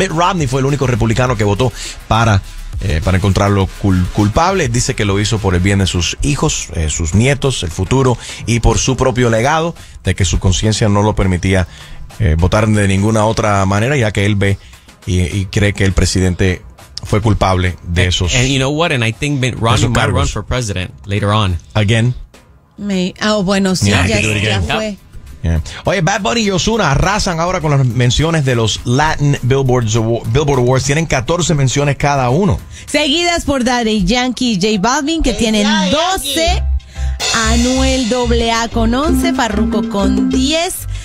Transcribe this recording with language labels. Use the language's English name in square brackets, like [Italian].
[Spanish] Mitt Romney fue el único republicano que votó para encontrarlo culpable. Dice que lo hizo por el bien de sus hijos, sus nietos, el futuro y por su propio legado, de que su conciencia no lo permitía votar de ninguna otra manera, ya que él ve y cree que el presidente fue culpable de esos. [English] And you know what? And I think Mitt Romney might run for president later on. Again. [Spanish] Ya fue. Oye, Bad Bunny y Ozuna arrasan ahora con las menciones de los Latin Billboard Awards. Tienen 14 menciones cada uno. Seguidas por Daddy Yankee y J Balvin, que tienen 12. Anuel AA con 11. Farruko con 10.